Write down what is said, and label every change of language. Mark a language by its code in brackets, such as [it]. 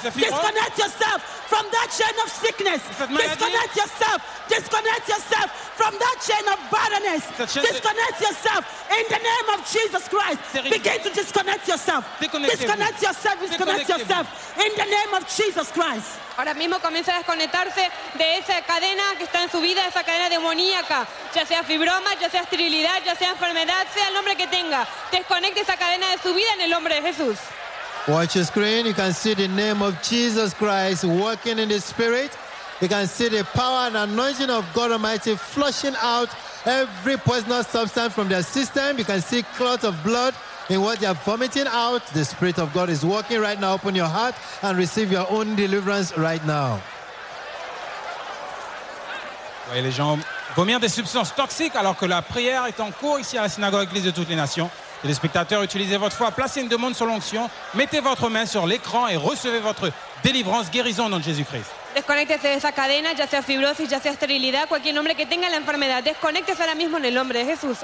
[en] Disconnect yourself from that chain of sickness. Disconnect yourself. Disconnect yourself from that chain of barrenness. Disconnect yourself in the name of Jesus Christ. Begin to disconnect yourself. Disconnect yourself. Disconnect yourself in the name of Jesus Christ. [es] Ahora mismo comienza a desconectarse de esa cadena que está en su vida, esa cadena demoníaca, ya sea fibroma, ya sea esterilidad, ya sea enfermedad, sea el nombre que tenga. Desconecte esa cadena de su vida en el nombre de Jesús. [en] Watch your screen, you can see the name of Jesus Christ working in the spirit. You can see the power and anointing of God Almighty flushing out every poisonous substance from their system. You can see clots of blood. In what you are vomiting out, the Spirit of God is working right now. Open your heart and receive your own deliverance right now. [fr] Vous voyez les gens vomir des substances toxiques alors que la prière est en cours ici à la synagogue Église de toutes les nations. Et les spectateurs, utilisez votre foi, placez une demande sur l'onction, mettez votre main sur l'écran et recevez votre délivrance, guérison au nom de Jésus-Christ. [es] Desconéctese de esa cadena, ya sea fibrosis, ya sea esterilidad, cualquier nombre que tenga la enfermedad. Desconéctese ahora mismo en el nombre de Jesús.